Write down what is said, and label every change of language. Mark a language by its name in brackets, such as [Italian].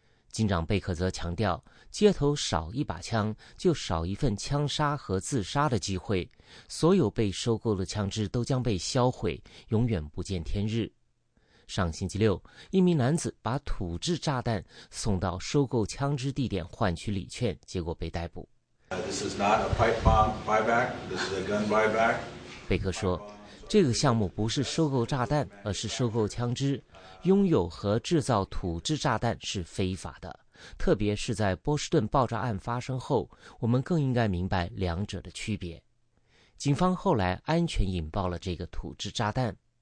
[Chinese] 警长贝克则强调，街头少一把枪就少一份枪杀和自杀的机会，所有被收购的枪支都将被销毁，永远不见天日。上星期六，一名男子把土制炸弹送到收购枪支地点换取礼券，结果被逮捕。 [English] This is not a pipe bomb buyback, this is a gun buyback. [Chinese] 贝克说，这个项目不是收购炸弹，而是收购枪支。拥有和制造土制炸弹是非法的，特别是在波士顿爆炸案发生后，我们更应该明白两者的区别。警方后来安全引爆了这个土制炸弹。